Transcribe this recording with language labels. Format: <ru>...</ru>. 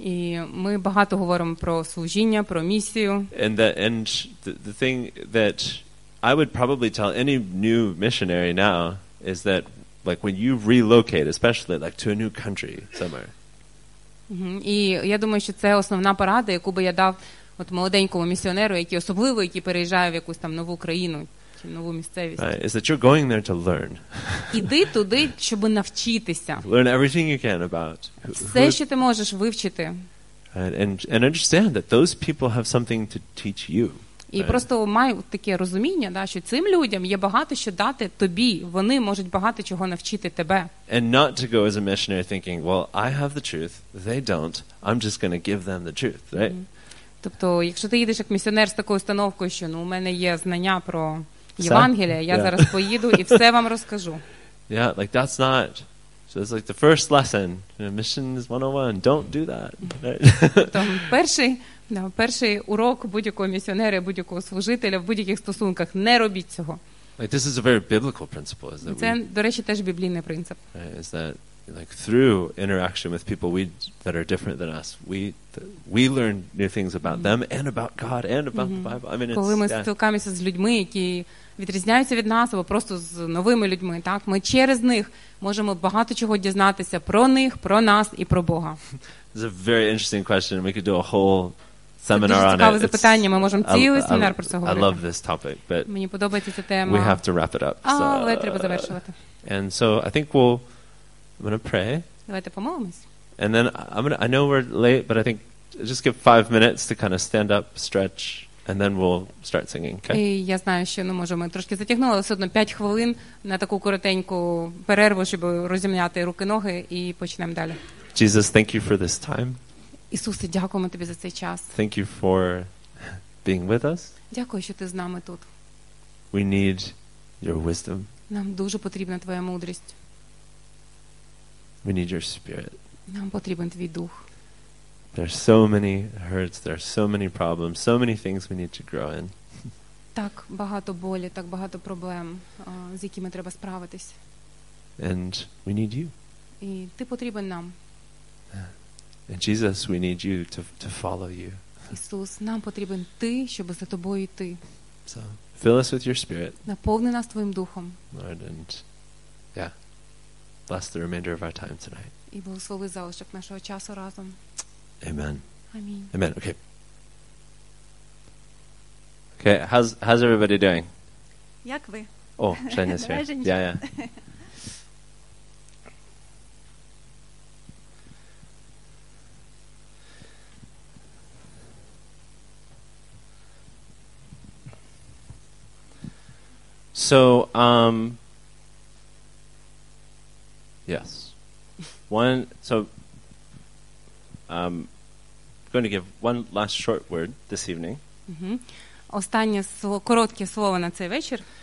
<uk>І ми багато говоримо про служіння, про місію.</uk> <en>And the thing that I would probably tell any new missionary now is that, like, when you relocate, especially like to a new country somewhere.</en> <uk>І я думаю, що це основна порада, яку би я дав от молоденькому місіонеру, який особливо, який переїжджає в якусь там нову країну. Нову місцевість.</uk> <en>Right, is that you're going there to learn.</en> <uk>Іди туди, щоб навчитися.</uk> <en>Learn everything you can about.</en> <uk>Все, що ти можеш вивчити.</uk> <en>And understand that those people have something to teach you.</en> <uk>І просто май таке розуміння, да, що цим людям є багато що дати тобі. Вони можуть багато чого навчити тебе.</uk> <en>And not to go as a missionary thinking, well, I have the truth, they don't. I'm just going to give them the truth, right?</en> <uk>Тобто, якщо ти їдеш як місіонер з такою установкою, що, у мене є знання про Євангелія, я зараз поїду і все вам розкажу.</uk> <en>Yeah, like that's not. So it's like the first lesson. You know, missions 101. Don't do that.</en> <uk>Там перший урок будь-якого місіонера, будь-якого служителя в будь-яких стосунках: не робіть цього.</uk> <en>Like, this is a very biblical principle, is that</en> <uk>це, до речі, теж біблійний принцип.</uk> <en>Is that, like, through interaction with people that are different than us, we learn new things about mm-hmm. them and about God and about mm-hmm. the Bible. I mean,</en> <uk>коли ми спілкуємося з людьми, які відрізняються від нас, або просто з новими людьми, так, ми через них можемо багато чого дізнатися про них, про нас і про Бога.</uk> <en>It's a very interesting question. We could do a whole seminar on it.</en> <uk>Це цікаве запитання. Ми можемо цілий семінар про це говорити.</uk> <en>I love this topic, but</en> <uk>мені подобається ця тема.</uk> <en>We have to wrap it up.</en> <uk>Але треба завершувати.</uk> <en>And so I think we'll I'm going to pray.</en> <uk>Давайте помолимось.</uk> <en>And then I know we're late, but I think just give 5 minutes to kind of stand up, stretch, And then we'll start singing. Okay?</en> <uk>І я знаю, що ну, може, ми трошки затягнули, але все одно 5 хвилин на таку коротеньку перерву, щоб розім'яти руки-ноги і почнемо далі.</uk> <en>Jesus, thank you for this time.</en> <uk>Ісусе, дякуємо тобі за цей час.</uk> <en>Thank you for being with us.</en> <uk>Дякую, що ти з нами тут.</uk> <en>We need your wisdom.</en> <uk>Нам дуже потрібна твоя мудрість.</uk> <en>We need your spirit.</en> <uk>Нам потрібен твій дух.</uk> <en>There's so many hurts, there's so many problems, so many things we need to grow in.</en> <uk>Так багато болі, так багато проблем, з якими треба справитись.</uk> <en>And we need you.</en> <uk>І ти потрібен нам.</uk> <en>And Jesus, we need you to follow you.</en> <uk>Ісус, нам потрібен ти, щоб за тобою йти.</uk> <en>So, fill us with your spirit.</en> <uk>Наповни нас твоїм духом.</uk> <en>Lord, and yeah. Bless the remainder of our time tonight.</en> <uk>І благослови залишок нашого часу разом.</uk> <en>Amen. Amen. Amen. Okay. Okay. How's everybody doing?</en> <uk>Як ви?</uk> <en>Oh, Shania's here. Yeah, yeah. So, yes. Going to give one last short word this evening.</en> <uk>Останнє слово, коротке слово на цей вечір.</uk>